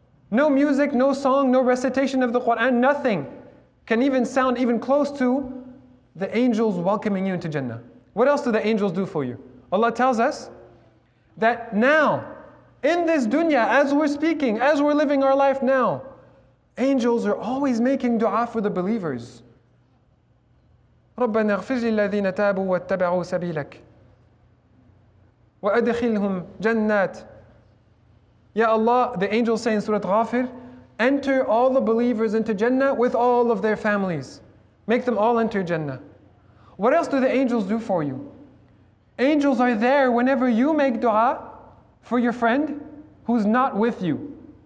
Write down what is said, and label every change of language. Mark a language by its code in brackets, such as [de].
[en] No music, no song, no recitation of the Quran, nothing can even sound even close to the angels welcoming you into Jannah. What else do the angels do for you? Allah tells us that now, in this dunya, as we're speaking, as we're living our life now, angels are always making dua for the believers. [ar] ربنا اغفر للذين تابوا واتبعوا سبيلك وأدخلهم جنات. [en] Ya Allah, the angels say in Surah Ghafir, enter all the believers into Jannah with all of their families. Make them all enter Jannah. What else do the angels do for you? Angels are there whenever you make dua for your friend who's not with you.